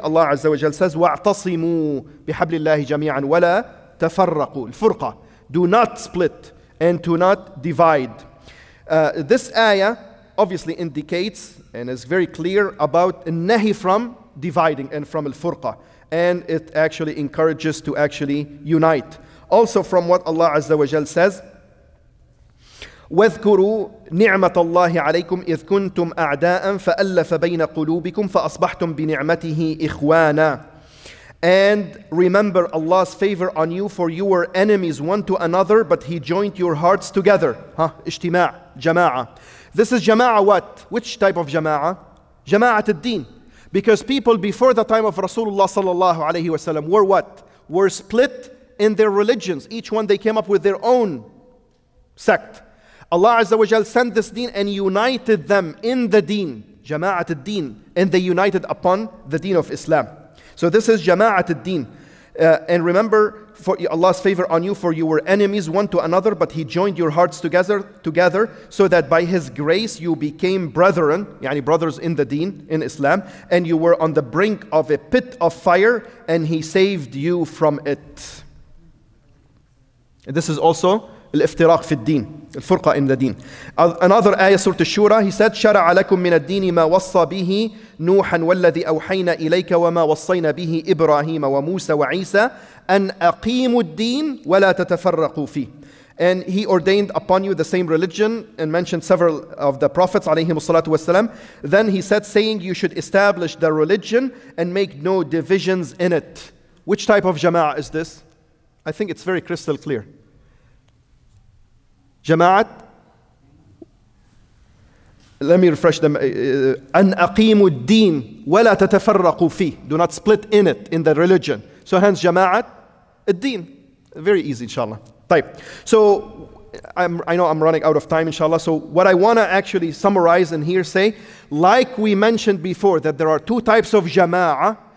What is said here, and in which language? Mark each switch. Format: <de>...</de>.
<ar>Allah Azza wa Jalla</ar> <en>says,</en> <ar>"Wa'tasimu bihablillahi jami'an wa la tafarraqu." Al-furqa.</ar> <en>Do not split and do not divide. This ayah obviously indicates and is very clear about nahi from dividing and from al-furqa. And it actually encourages to actually unite. Also from what Allah Azza wa Jalla says,</en> <ar>"وَذْكُرُوا نِعْمَةَ اللَّهِ عَلَيْكُمْ إِذْ كُنْتُمْ أَعْدَاءً فَأَلَّفَ بَيْنَ قُلُوبِكُمْ فَأَصْبَحْتُمْ بِنِعْمَتِهِ إِخْوَانًا."</ar> <en>And remember Allah's favor on you, for you were enemies one to another, but He joined your hearts together. Huh? Ijtima', jama'ah. This is jama'ah what? Which type of jama'ah? Jama'at al-deen. Because people before the time of Rasulullah sallallahu alayhi wa sallam were what? Were split in their religions. Each one, they came up with their own sect. Allah Azza wa Jal sent this deen and united them in the deen, jama'at al-deen, and they united upon the deen of Islam. So this is jama'at al-deen. And remember for Allah's favor on you, for you were enemies one to another, but He joined your hearts together so that by His grace you became brethren, yani brothers in the deen, in Islam, and you were on the brink of a pit of fire, and He saved you from it. And this is also</en> <ar>الافتراق في الدين الفرقة</ar> <en>in the deen. Another ayah, Surah Ash-Shura, he said,</en> <ar>شرع لكم من الدين ما وصى به نوحا والذي أوحينا إليك وما وصينا به إبراهيم وموسى وعيسى أن أقيموا الدين ولا تتفرقوا فيه.</ar> <en>And he ordained upon you the same religion and mentioned several of the prophets</en> <ar>عليهم الصلاة والسلام.</ar> <en>Then he said, saying, you should establish the religion and make no divisions in it. Which type of jama'ah is this? I think it's very crystal clear. Jama'at, let me refresh them.</en> <ar>أن أقيموا الدين ولا تتفرقوا فيه.</ar> <en>Do not split in it, in the religion. So hence jama'at, الدين. Very easy, inshallah.</en> <ar>طيب.</ar> <en>So I know I'm running out of time, inshallah. So what I want to actually summarize and here say, like we mentioned before, that there are two types of jama'a.</en>